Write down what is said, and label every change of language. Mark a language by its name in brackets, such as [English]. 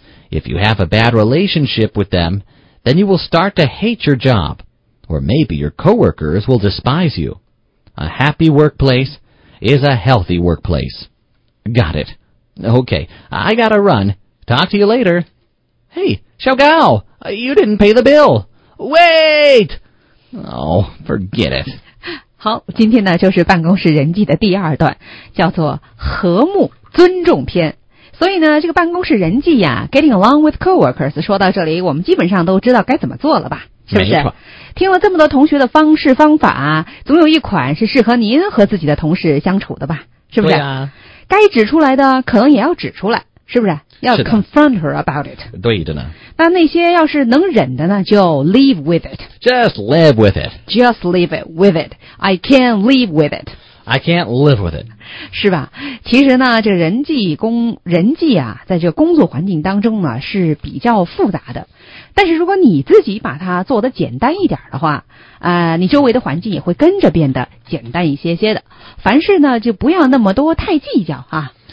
[English] If you have a bad relationship with them... Then you will start to hate your job, or maybe your coworkers will despise you. A happy workplace is a healthy workplace. Got it. Okay, I gotta run. Talk to you later. Hey, Xiao Gao, you didn't pay the bill. Wait! Oh, forget it. [Chinese] 好，今天呢就是办公室人际的第二段，叫做和睦尊重篇。所以呢这个办公室人际呀 [English] getting along with coworkers [Chinese] 说到这里我们基本上都知道该怎么做了吧是不是没错听了这么多同学的方式方法总有一款是适合您和自己的同事相处的吧是不是对啊该指出来的可能也要指出来是不是要 [English] confront her about it [Chinese] 对的呢那那些要是能忍的呢就 [English] live with it Just live with it Just live it with it I can live with it I can't live with it. [Chinese] 是吧？其实呢，这人际啊，在这个工作环境当中呢，是比较复杂的。但是如果你自己把它做得简单一点的话，你周围的环境也会跟着变得简单一些些的。凡事呢，就不要那么多太计较啊。